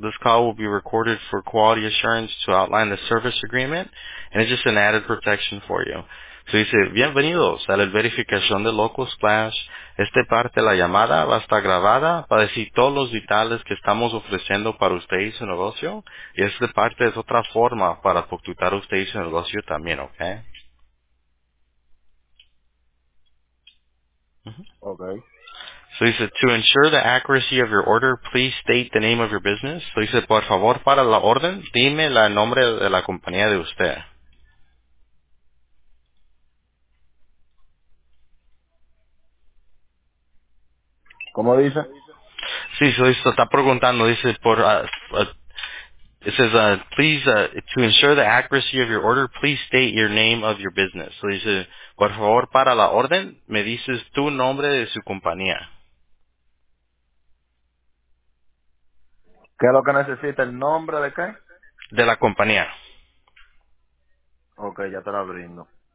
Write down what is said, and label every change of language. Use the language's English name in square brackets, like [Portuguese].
[English] This call will be recorded for quality assurance to outline the service agreement, and it's just an added protection for you. [Spanish] So dice, bienvenidos a la verificación de Local Splash. Esta parte de la llamada va a estar grabada para decir todos los detalles que estamos ofreciendo para usted y su negocio. Y esta parte es otra forma para facturar usted y su negocio también, ¿ok? Okay. [English] So he said, to ensure the accuracy of your order, please state the name of your business. So he said, [Spanish] por favor, para la orden, dime el nombre de la compañía de usted. ¿Cómo dice? [English] Sí, so he said, [Spanish] está preguntando, dice, por, [English] it says, please, to ensure the accuracy of your order, please state your name of your business. So he said, [Spanish] por favor, para la orden, me dices tu nombre de su compañía. ¿Qué es lo que necesita? ¿El nombre de qué? De la compañía. Okay, ya te la brindo.